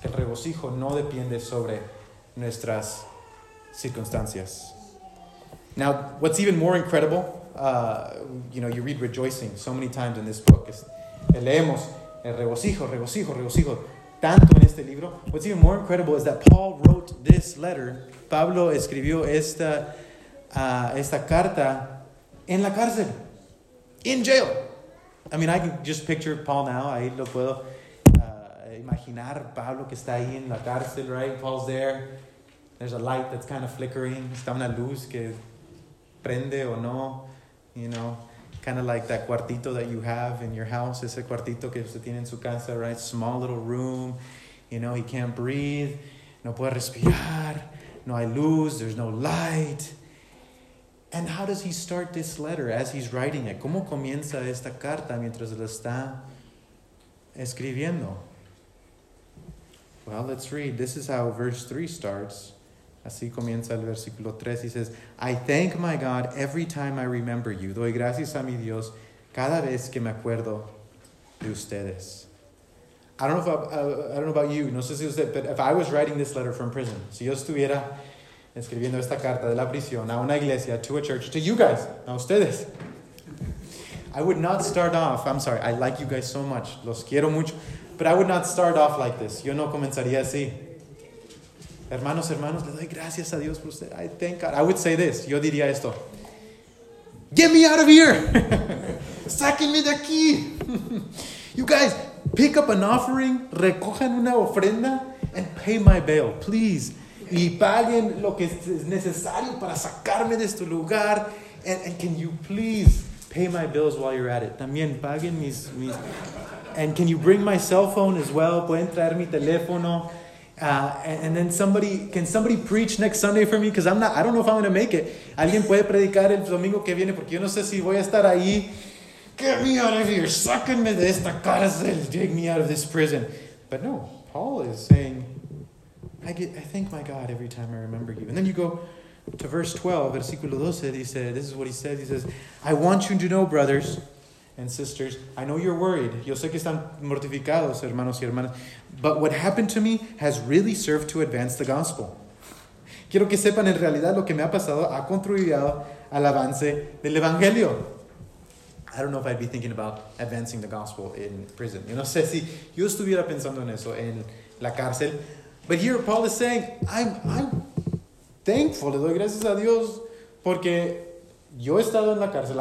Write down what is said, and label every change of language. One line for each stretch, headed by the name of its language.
Spanish: El regocijo no depende sobre nuestras circunstancias.
English: Now, what's even more incredible, you know, you read rejoicing so many times in this book.
Spanish: Leemos el regocijo, regocijo, regocijo, tanto en este libro.
English: What's even more incredible is that Paul wrote this letter.
Spanish: Pablo escribió esta carta en la cárcel,
English: in jail. I mean, I can just picture Paul now.
Spanish: Ahí lo puedo imaginar, Pablo, que está ahí en la cárcel, right?
English: Paul's there. There's a light that's kind of flickering.
Spanish: Está una luz que prende o no,
English: you know. Kind of like that cuartito that you have in your house.
Spanish: Ese cuartito que usted tiene en su casa, right?
English: Small little room. You know, he can't breathe.
Spanish: No puede respirar. No hay luz.
English: There's no light. And how does he start this letter as he's writing it?
Spanish: ¿Cómo comienza esta carta mientras la está escribiendo?
English: Well, let's read. This is how verse 3 starts.
Spanish: Así comienza el versículo 3.
English: He says, I thank my God every time I remember you.
Spanish: Doy gracias a mi Dios cada vez que me acuerdo de ustedes.
English: I don't know about you.
Spanish: No sé si usted,
English: but if I was writing this letter from prison,
Spanish: si yo estuviera escribiendo esta carta de la prisión a una iglesia,
English: to a church, to you guys,
Spanish: a ustedes,
English: I would not start off, I'm sorry, I like you guys so much,
Spanish: los quiero mucho,
English: but I would not start off like this.
Spanish: Yo no comenzaría así. Hermanos, hermanos, le doy gracias a Dios por usted.
English: I thank God. I would say this.
Spanish: Yo diría esto.
English: Get me out of here.
Spanish: Sáquenme de aquí.
English: You guys, pick up an offering.
Spanish: Recojan una ofrenda.
English: And pay my bail, please.
Spanish: Y paguen lo que es necesario para sacarme de este lugar.
English: And can you please pay my bills while you're at it.
Spanish: También paguen mis...
English: And can you bring my cell phone as well?
Spanish: Pueden traer mi teléfono.
English: And then somebody, can somebody preach next Sunday for me? Because I don't know if I'm going to make it.
Spanish: Alguien puede predicar el domingo que viene porque yo no sé si voy a estar ahí.
English: Get me out of here.
Spanish: Sáquenme de esta cárcel.
English: Take me out of this prison. But no, Paul is saying, I thank my God every time I remember you. And then you go to verse 12,
Spanish: versículo 12.
English: He said, this is what he said. He says, I want you to know, brothers and sisters, I know you're worried.
Spanish: Yo sé que están mortificados, hermanos y hermanas.
English: But what happened to me has really served to advance the gospel.
Spanish: Quiero que sepan, en realidad, lo que me ha pasado ha contribuido al avance del evangelio.
English: I don't know if I'd be thinking about advancing the gospel in prison.
Spanish: Yo no sé si yo estuviera pensando en eso en la cárcel.
English: But here Paul is saying, I'm thankful.
Spanish: Le doy gracias a Dios porque yo he estado en la cárcel.